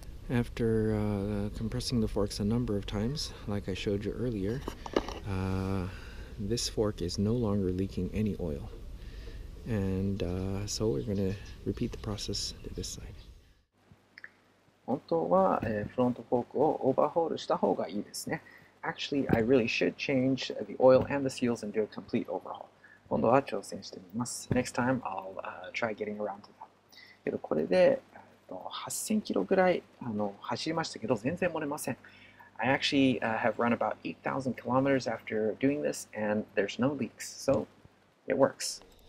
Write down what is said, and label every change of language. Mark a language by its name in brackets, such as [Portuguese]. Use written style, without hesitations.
[English] After compressing the forks a number of times, like I showed you earlier, this fork is no longer leaking any oil. And so we're going to repeat the process to this side. [Japanese] 本当は、フロントフォークをオーバーホールした方がいいですね。 [English] Actually, I really should change the oil and the seals and do a complete overhaul. [Japanese] 今度は挑戦してみます。 [English] Next time, I'll try getting around to that. [Japanese] けどこれで8000キロぐらい走りましたけど全然漏れません。 [English] I actually have run about 8,000 kilometers after doing this, and there's no leaks, so it works.